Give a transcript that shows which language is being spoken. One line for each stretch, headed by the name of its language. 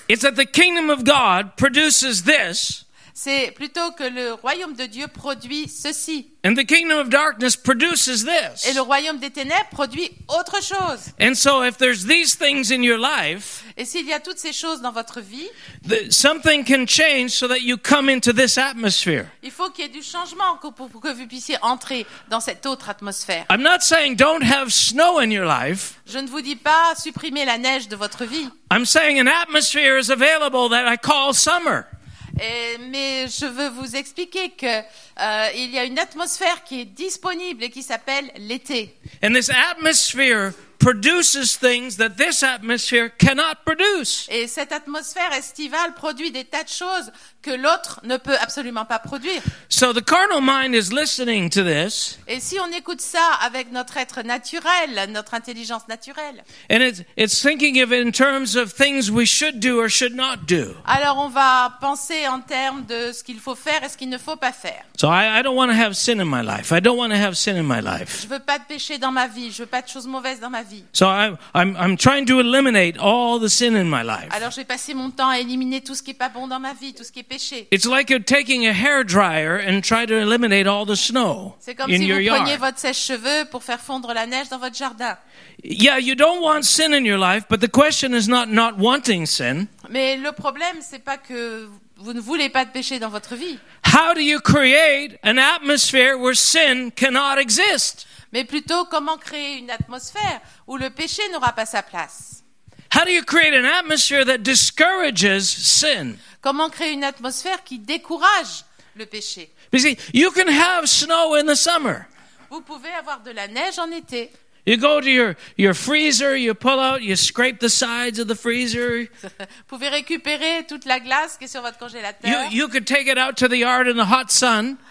English: It's that the kingdom of God produces this.
French: C'est plutôt que le royaume de Dieu produit ceci.
English: And the kingdom of darkness produces this.
French: Et le royaume des ténèbres produit autre chose.
English: And so if there's these things in your life,
French: et s'il y a toutes ces choses dans votre vie,
English: something can change so that you come into this atmosphere.
French: Il faut qu'il y ait du changement pour que vous puissiez entrer dans cette autre atmosphère.
English: I'm not saying don't have snow in your life.
French: Je ne vous dis pas supprimer la neige de votre vie.
English: I'm saying an atmosphere is available that I call summer.
French: Mais je veux vous expliquer que il y a une atmosphère qui est disponible et qui s'appelle l'été.
English: And this atmosphere produces things that this atmosphere cannot produce.
French: Et cette atmosphère estivale produit des tas de choses que l'autre ne peut absolument pas produire.
English: So the carnal mind is listening to this.
French: Et si on écoute ça avec notre être naturel, notre intelligence naturelle.
English: And it's thinking of it in terms of things we should do or should not do.
French: Alors on va penser en termes de ce qu'il faut faire et ce qu'il ne faut pas faire.
English: So I don't want to have sin in my life. I don't want to have sin in my life.
French: Je veux pas de péché dans ma vie. Je veux pas de choses mauvaises dans ma vie.
English: So I'm trying to eliminate all the sin in my life.
French: Alors je vais passer mon temps à éliminer tout ce qui est pas bon dans ma vie, tout ce qui est péché.
English: It's like you're taking a hair dryer and try to eliminate all the snow in your yard.
French: C'est comme si vous preniez votre sèche-cheveux pour faire fondre la neige dans votre jardin.
English: Yeah, you don't want sin in your life, but the question is not wanting sin.
French: Mais le problème c'est pas que vous ne voulez pas de péché dans votre vie.
English: How do you create an atmosphere where sin cannot exist?
French: Mais plutôt comment créer une atmosphère où le péché n'aura pas sa place?
English: How do you create an atmosphere that discourages sin?
French: Comment créer une atmosphère qui décourage le péché?
English: You see, you can have snow in the summer.
French: Vous pouvez avoir de la neige en été.
English: You go to your freezer, you pull out, you scrape the sides of the freezer.
French: Vous pouvez récupérer toute la glace qui est sur votre congélateur.
English: You could take it out to the yard in the hot sun.